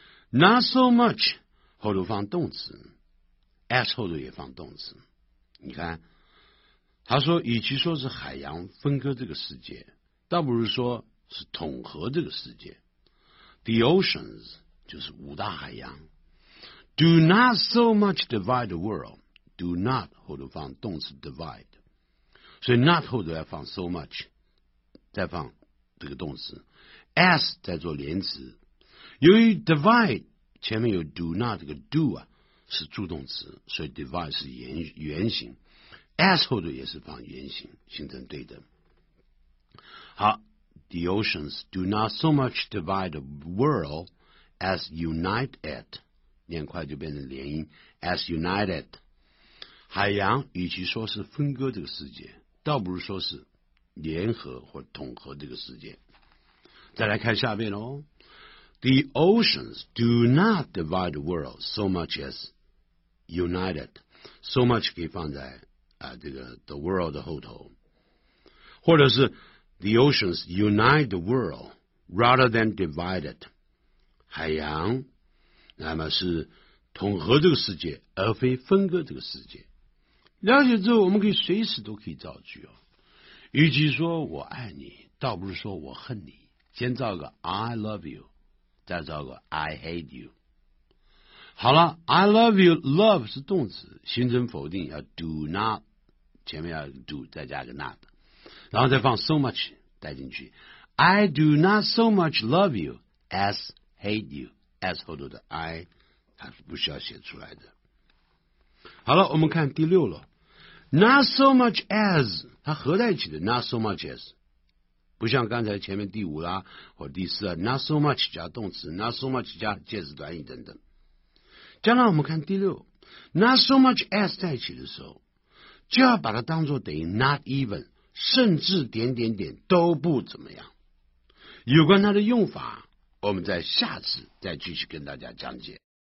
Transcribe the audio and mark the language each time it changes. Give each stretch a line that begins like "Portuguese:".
Chinese: Not so much 后头放动词， as 后头也放动词。你看他说，与其说是海洋分割这个世界，倒不如说是统合这个世界。 The oceans 就是五大海洋。
English: Do not so much divide the world， Do not 后头放动词 divide，
Chinese: 所以 not 后头要放
English: so much， 再放这个动词 as 再做连词。
Chinese: 由于 divide 前面有 do not， 这个 do 啊是助动词，所以 divide 是原形，S 后头也是放原形，形成对等。
English: 好， The oceans do not so much divide the world as unite it， 念快就变成连音 as united。
Chinese: 海洋与其说是分割这个世界，倒不如说是联合或统合这个世界。再来看下面哦，
English: The oceans do not divide the world so much as united，
Chinese: so much 可以放在这个 the world 的后头，或者是
English: the oceans unite the world rather than divide it，
Chinese: 海洋那么是统合这个世界而非分割这个世界。了解之后我们可以随时都可以造句哦，与其说我爱你，倒不是说我恨你，先造个
English: I love you，
Chinese: 再造个
English: I hate you。
Chinese: 好了，
English: I love you，
Chinese: love 是动词，形成否定要 do not，前面要 do 再加个 not， 然后再放 so much 带进去。
English: I do not so much love you as hate you， as 后头的 I
Chinese: 它是不需要写出来的。好了，我们看第六了。 Not so much as 它合在一起的 not so much as， 不像刚才前面第五啦或第四啊， not so much 加动词， not so much 加介词短语等等。将来我们看第六， not so much as 在一起的时候，就要把它当作等于 not even， 甚至点点点都不怎么样。有关它的用法，我们在下次再继续跟大家讲解。